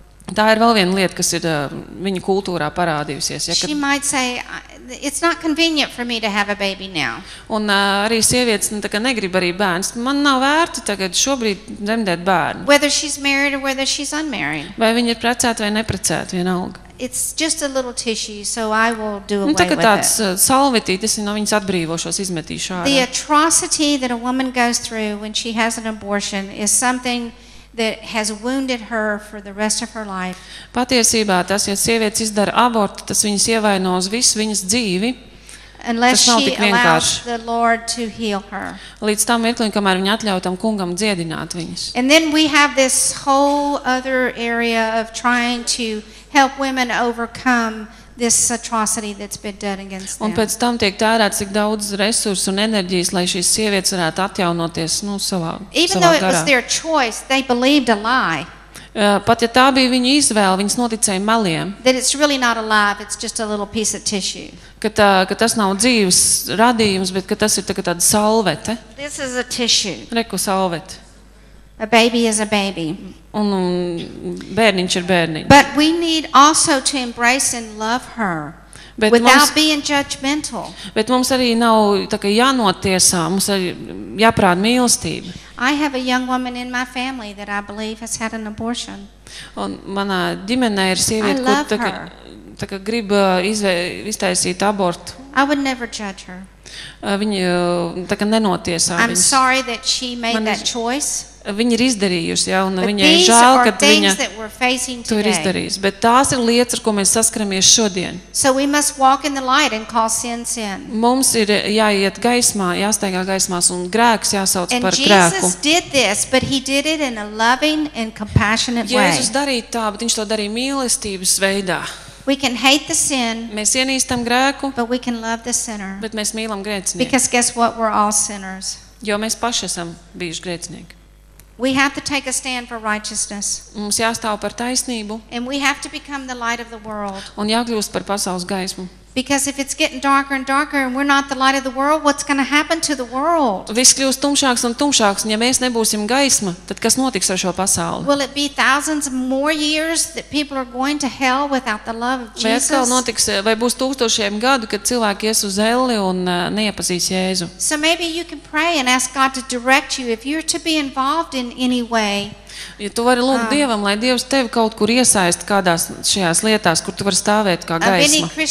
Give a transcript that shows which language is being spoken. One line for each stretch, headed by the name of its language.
Latvian: Tā ir vēl viena lieta, kas ir viņa kultūrā parādījusies.
English: Ja, she might say, it's not convenient for me to have a baby now.
Latvian: Un arī sievietes tā kā negrib arī bērns. Man nav vērti tagad šobrīd dzemdēt bērnu.
English: Whether she's married or whether she's unmarried.
Latvian: Vai viņa ir precēta vai neprecēta, vienalga.
English: It's just a little tissue, so I will do away with it.
Latvian: Un tā kā tāds salvetītis, no viņas atbrīvošos, izmetīšu ārā.
English: The atrocity that a woman goes through when she has an abortion is something that has wounded her for the rest of her life.
Latvian: Patiesībā tas, ja sievietes izdara abortu, tas viņas ievaino uz visu viņas dzīvi.
English: Unless she allows the Lord to heal her.
Latvian: Līdz tam mirklim, kamēr viņa atļauj tam kungam dziedināt viņas.
English: And then we have this whole other area of trying to help women overcome this atrocity that's been done against them.
Latvian: Un pēc tam tiek tērēts tik daudz resursu un enerģijas, lai šīs sievietes varētu atjaunoties, nu, savā garā.
English: Even though it was their choice, they believed a lie.
Latvian: Pat ja tā bija viņa izvēle, viņas noticēja meliem.
English: That it's really not a lie, it's just a little piece of tissue.
Latvian: Ka tas nav dzīves radījums, bet ka tas ir tikai tāda salvete.
English: This is a tissue.
Latvian: Reku salvete.
English: A baby is a baby.
Latvian: Un bērniņš ir bērniņš.
English: But we need also to embrace and love her without being judgmental.
Latvian: Bet mums arī nav tā kā jānotiesā, mums arī jāprāda mīlestība.
English: I have a young woman in my family that I believe has had an abortion.
Latvian: Un manā ģimenē ir sieviete, kur tā kā grib iztaisīt abortu.
English: I would never judge her.
Latvian: Viņa tā kā nenotiesā viņus.
English: I'm sorry that she made that choice.
Latvian: Viņa ir izdarījusi, ja, un viņai ir žēl, ka viņa to ir izdarījusi. Bet tās ir lietas, ar ko mēs saskaramies šodien.
English: So we must walk in the light and call sin sin.
Latvian: Mums ir jāiet gaismā, jāstaigā gaismās, un grēks jāsauc par grēku.
English: And Jesus did this, but he did it in a loving and compassionate way.
Latvian: Jēzus darīja tā, bet viņš to darīja mīlestības veidā.
English: We can hate the sin.
Latvian: Mēs ienīstam grēku.
English: But we can love the sinner.
Latvian: Bet mēs mīlam grēcinieku.
English: Because guess what, we're all sinners.
Latvian: Jo mēs paši esam bijuši grēcinieki.
English: We have to take a stand for righteousness.
Latvian: Mums jāstāv par taisnību.
English: And we have to become the light of the world.
Latvian: Un jākļūst par pasaules gaismu.
English: Because if it's getting darker and darker and we're not the light of the world, what's going to happen to the world?
Latvian: Viss kļūst tumšāks un tumšāks, un ja mēs nebūsim gaisma, tad kas notiks ar šo pasauli?
English: Will it be thousands more years that people are going to hell without the love of Jesus?
Latvian: Vai notiks, vai būs tūkstošiem gadu, kad cilvēki ies uz elli un neiepazīs Jēzu?
English: So maybe you can pray and ask God to direct you if you're to be involved in any way.
Latvian: Ja tu vari lūgt Dievam, lai Dievs tevi kaut kur iesaist kādās šajās lietās, kur tu vari stāvēt kā gaisma.